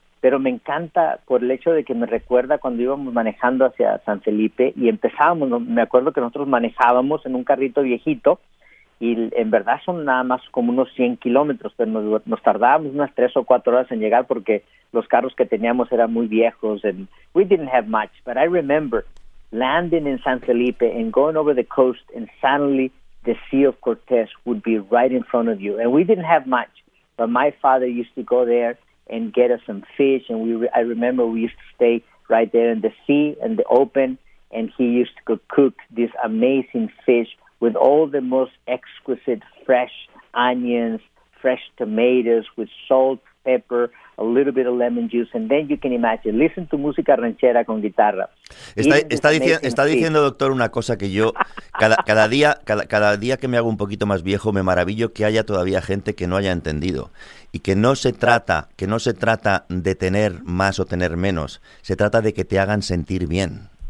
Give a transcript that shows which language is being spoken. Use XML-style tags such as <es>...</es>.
<es>Pero me encanta por el hecho de que me recuerda cuando íbamos manejando hacia San Felipe y empezábamos, me acuerdo que nosotros manejábamos en un carrito viejito, y en verdad son nada más como unos 100 kilómetros, pero nos tardábamos unas 3 o 4 horas en llegar porque los carros que teníamos eran muy viejos.</es> <en>And we didn't have much, but I remember landing in San Felipe and going over the coast, and suddenly the Sea of Cortez would be right in front of you. And we didn't have much, but my father used to go there and get us some fish, and I remember we used to stay right there in the sea and the open, and he used to cook this amazing fish with all the most exquisite fresh onions, fresh tomatoes, with salt, pepper, a little bit of lemon juice, and then you can imagine, listen to</en> <es>música ranchera con guitarra. Está diciendo, doctor, una cosa que yo, cada día que me hago un poquito más viejo, me maravillo que haya todavía gente que no haya entendido. Y que no se trata de tener más o tener menos, se trata de que te hagan sentir bien.</es>